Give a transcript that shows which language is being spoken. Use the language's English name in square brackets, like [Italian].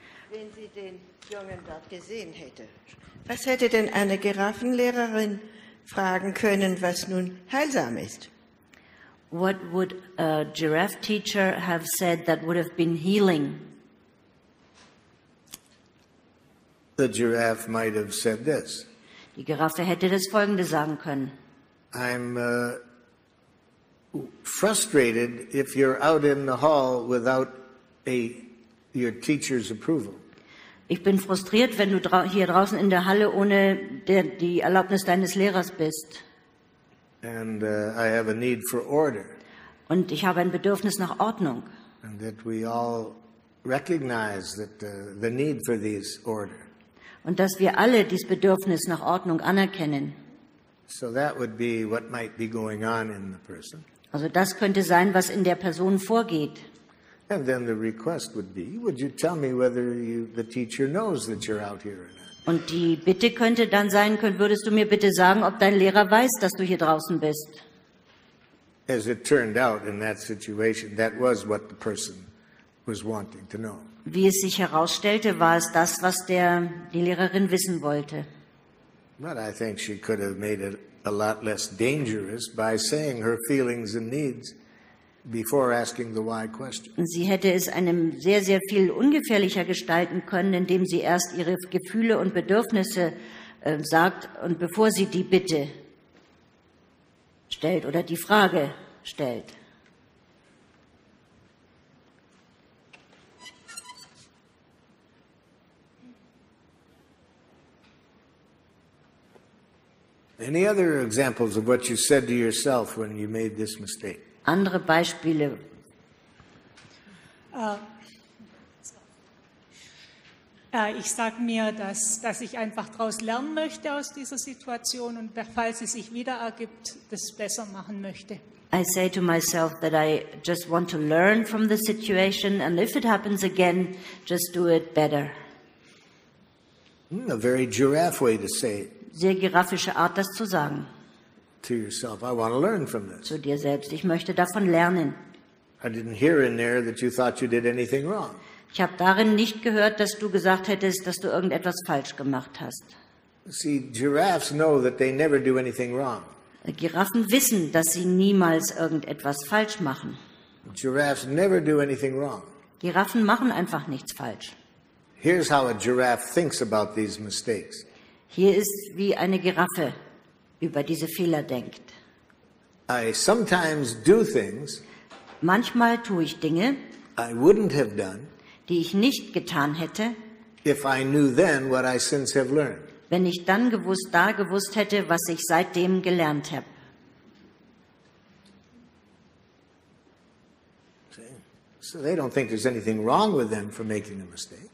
[German] wenn sie den Jungen dort gesehen hätte, was hätte denn eine Giraffenlehrerin fragen können, was nun heilsam ist? [English] What would a giraffe teacher have said that would have been healing? The giraffe might have said this. [German] Die Giraffe hätte das Folgende sagen können. [English] I'm frustrated if you're out in the hall without your teacher's approval. [German] Ich bin frustriert, wenn du hier draußen in der Halle ohne die Erlaubnis deines Lehrers bist. [English] And I have a need for order. [German] Und ich habe ein Bedürfnis nach Ordnung. [English] And that we all recognize that the need for these order. [German] und dass wir alle dies Bedürfnis nach Ordnung anerkennen. [English] So that would be what might be going on in the person. [German] Also das könnte sein, was in der Person vorgeht. [English] And then the request would you tell me whether the teacher knows that you're out here or not? [German] Und die Bitte könnte dann sein, würdest du mir bitte sagen, ob dein Lehrer weiß, dass du hier draußen bist? [English] As it turned out in that situation, that was what the person was wanting to know. [German] Wie es sich herausstellte, war es das, was die Lehrerin wissen wollte. [English] But I think she could have made it a lot less dangerous by saying her feelings and needs before asking the why question. [German] Sie hätte es einem sehr, sehr viel ungefährlicher gestalten können, indem sie erst ihre Gefühle und Bedürfnisse sagt und bevor sie die Bitte stellt oder die Frage stellt. [English] Any other examples of what you said to yourself when you made this mistake? [German] Andere Beispiele. Ich sage mir, dass ich einfach daraus lernen möchte aus dieser Situation und falls es sich wieder ergibt, das besser machen möchte. [English] I say to myself that I just want to learn from the situation and if it happens again, just do it better. A very giraffe way to say it. [German] Sehr giraffische Art, das zu sagen. [English] To yourself, I want to learn from this. [German] Zu dir selbst, ich möchte davon lernen. [English] I didn't hear in there that you thought you did anything wrong. [German] Ich habe darin nicht gehört, dass du gesagt hättest, dass du irgendetwas falsch gemacht hast. [English] See, giraffes know that they never do anything wrong. [German] Giraffen wissen, dass sie niemals irgendetwas falsch machen. [English] Giraffes never do anything wrong. [German] Giraffen machen einfach nichts falsch. [English] Here's how a giraffe thinks about these mistakes. [German] Hier ist, wie eine Giraffe über diese Fehler denkt. [English] I sometimes do things, [German] manchmal tue ich Dinge, [English] I wouldn't have done, [German] die ich nicht getan hätte, [English] if I knew then what I since have learned. [German] Wenn ich dann gewusst hätte, was ich seitdem gelernt habe. [English] So they don't think there's anything wrong with them for making a mistake.